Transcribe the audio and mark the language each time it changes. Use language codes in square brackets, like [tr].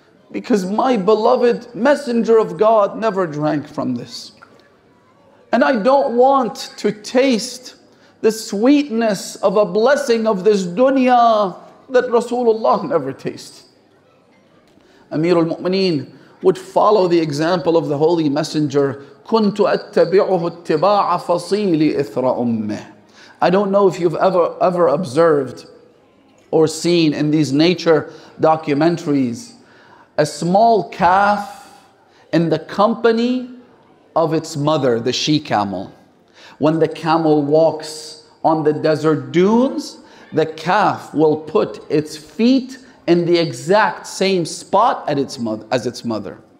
[en] Because my beloved messenger of God never drank from this. And I don't want to taste the sweetness of a blessing of this dunya that Rasulullah never tasted. Amir al-Mu'mineen would follow the example of the Holy Messenger. [ar] كُنْتُ أَتَّبِعُهُ اتِّبَاعَ فَصِيلِ إِثْرَ أُمِّهِ. [en] I don't know if you've ever observed or seen in these nature documentaries a small calf in the company of its mother, the she-camel. When the camel walks on the desert dunes, the calf will put its feet in the exact same spot as its mother.